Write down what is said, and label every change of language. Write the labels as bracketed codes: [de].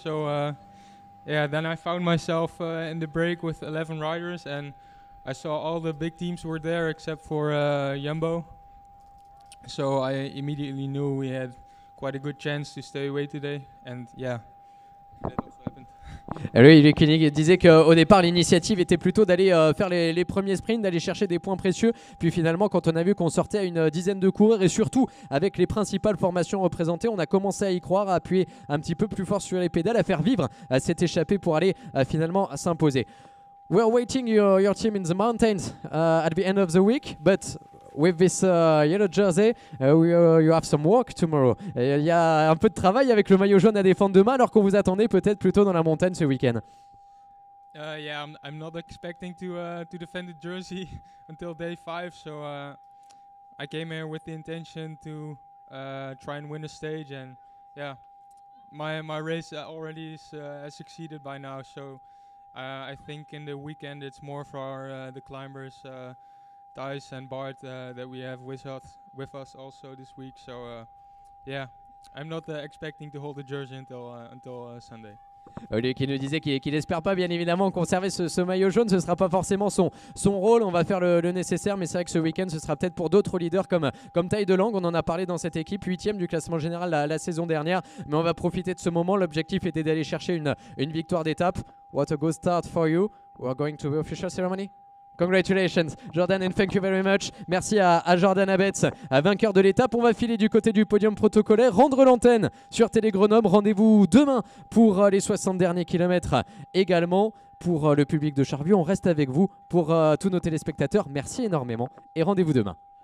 [en] So then I found myself in the break with 11 riders, and I saw all the big teams were there except for Jumbo. So I immediately knew we had quite a good chance to stay away today, and yeah. [fr] Oui, Luc Koenig disait qu'au départ, l'initiative était plutôt d'aller faire les premiers sprints, d'aller chercher des points précieux. Puis finalement, quand on a vu qu'on sortait à une dizaine de coureurs et surtout avec les principales formations représentées, on a commencé à y croire, à appuyer un petit peu plus fort sur les pédales, à faire vivre cette échappée pour aller finalement s'imposer. [en] We're waiting your team in the mountains at the end of the week, but with this yellow jersey, you have some work tomorrow. [fr] Il y a un peu de travail avec le maillot jaune à défendre demain, alors qu'on vous attendait peut-être plutôt dans la montagne ce week-end. [en] I'm not expecting to defend the jersey until day 5, so I came here with the intention to try and win a stage, and yeah, my race already is has succeeded by now, so I think in the weekend it's more for the climbers. Thijs and Bart that we have with us also this week. So I'm not expecting to hold the jersey until Sunday. [fr] Olivier qui nous disait qu'il espère pas bien évidemment conserver ce maillot jaune, ce sera pas forcément son rôle, on va faire le nécessaire, mais c'est vrai que ce week-end ce sera peut-être pour d'autres leaders comme Taille de Langue, on en a parlé dans cette équipe, 8e du classement général la saison dernière, mais on va profiter de ce moment, l'objectif était d'aller chercher une victoire d'étape. [en] What a good start for you, we're going to the official ceremony. Congratulations, Jordan, and thank you very much. [fr] Merci à Jordan Abetz, à vainqueur de l'étape. On va filer du côté du podium protocolaire, rendre l'antenne sur Télé Grenoble. Rendez-vous demain pour les 60 derniers kilomètres également. Pour le public de Charvieux, on reste avec vous. Pour tous nos téléspectateurs, merci énormément et rendez-vous demain.